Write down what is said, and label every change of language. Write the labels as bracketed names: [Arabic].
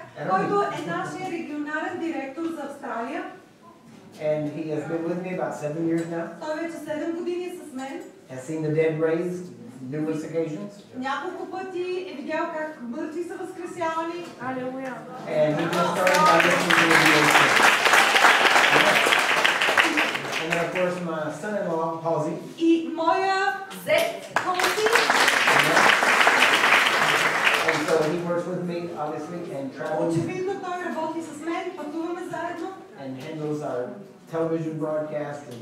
[Bulgarian] Който е нашия регионален директор за Австралия. [English] And he has been with me about 7 years now. [Bulgarian] Той вече 7 години е с мен. [English] Has seen the dead raised numerous occasions. [Bulgarian] Няколко пъти е видял как мъртви са възкресявани. Алелуя. [English] And he just started by listening to the music. And then of course my son-in-law, Halsey. [Bulgarian] И моя зет, Halsey. [English] So he works with me, obviously, and travels. And handles our television broadcast and